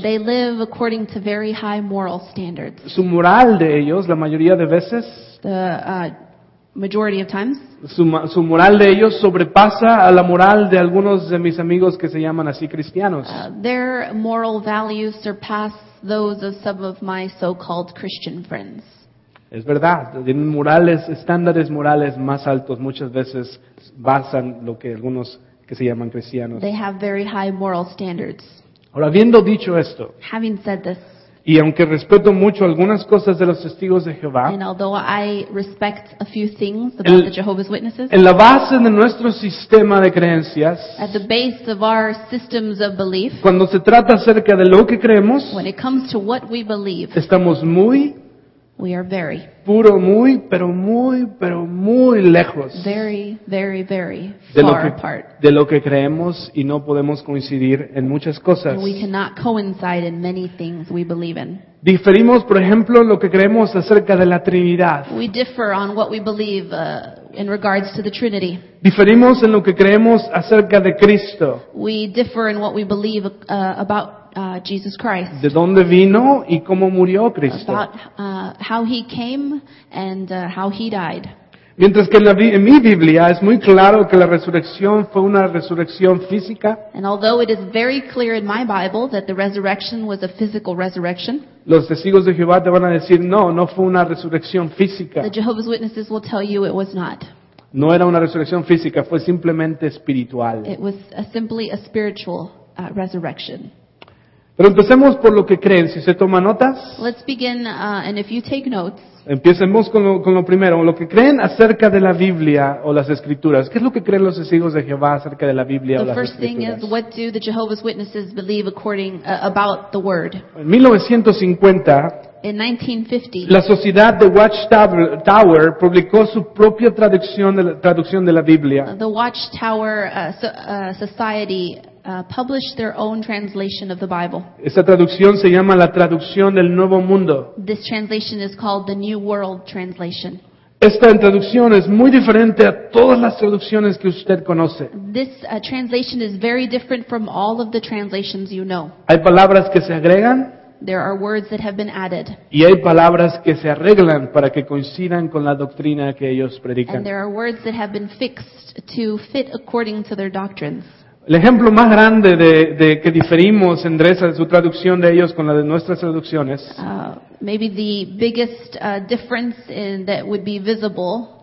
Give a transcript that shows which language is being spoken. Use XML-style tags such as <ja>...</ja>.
<en>They live according to very high moral standards.</en> <es>Su moral de ellos, la mayoría de veces,</es> <en>majority of times,</en> <es>su moral de ellos sobrepasa a la moral de algunos de mis amigos que se llaman así cristianos.</es> <en>Their moral values surpass those of some of my so-called Christian friends.</en> <es>Es verdad, tienen morales, estándares morales más altos. Muchas veces basan lo que algunos que se llaman cristianos.</es> <en>They have very high moral standards.</en> <es>Ahora, habiendo dicho esto,</es> <en>having said this,</en> <es>y aunque respeto mucho algunas cosas de los testigos de Jehová,</es> <en>and although I respect a few things about the Jehovah's Witnesses,</en> <es>en la base de nuestro sistema de creencias,</es> <en>at the base of our systems of belief,</en> <es>cuando se trata acerca de lo que creemos,</es> <en>when it comes to what we believe,</en> <es>estamos muy,</es> <en>we are very,</en> <es>puro muy, pero muy, pero muy lejos,</es> <en>very, very, very far apart,</en> <es>de lo que creemos, y no podemos coincidir en muchas cosas.</es> <en>And we cannot coincide in many things we believe in.</en> <es>Diferimos, por ejemplo, lo que creemos acerca de la Trinidad.</es> <en>We differ on what we believe in regards to the Trinity.</en> <es>Diferimos en lo que creemos acerca de Cristo.</es> <en>We differ in what we believe about Jesus Christ.</en> <es>¿De dónde vino y cómo murió Cristo?</es> <en>About how he came and how he died.</en> <es>Mientras que en mi Biblia es muy claro que la resurrección fue una resurrección física.</es> <en>And although it is very clear in my Bible that the resurrection was a physical resurrection.</en> <es>Los testigos de Jehová te van a decir, no, no fue una resurrección física.</es> <en>The Jehovah's Witnesses will tell you it was not.</en> <es>No era una resurrección física, fue simplemente espiritual.</es> <en>It was simply a spiritual resurrection.</en> <es>Pero empecemos por lo que creen. Si se toma notas,</es> <en>let's begin, and if you take notes,</en> <es>empecemos con lo primero, lo que creen acerca de la Biblia o las Escrituras. ¿Qué es lo que creen los testigos de Jehová acerca de la Biblia o las Escrituras?</es> <en>The first thing is, what do the Jehovah's Witnesses believe according about the Word?</en> <es>En 1950, la Sociedad de Watchtower publicó su propia traducción de la Biblia.</es> <en>The Watchtower Society published their own translation of the Bible.</en> <es>Esta traducción se llama la traducción del Nuevo Mundo.</es> <en>This translation is called the New World Translation.</en> <es>Esta traducción es muy diferente a todas las traducciones que usted conoce.</es> <en>This translation is very different from all of the translations you know.</en> <es>Hay palabras que se agregan.</es> <en>There are words that have been added.</en> <es>Y hay palabras que se arreglan para que coincidan con la doctrina que ellos predican.</es> <en>And there are words that have been fixed to fit according to their doctrines.</en> <es>El ejemplo más grande de que diferimos entre esa, su traducción de ellos con la de nuestras traducciones,</es> <en>maybe the biggest difference in that would be visible,</en>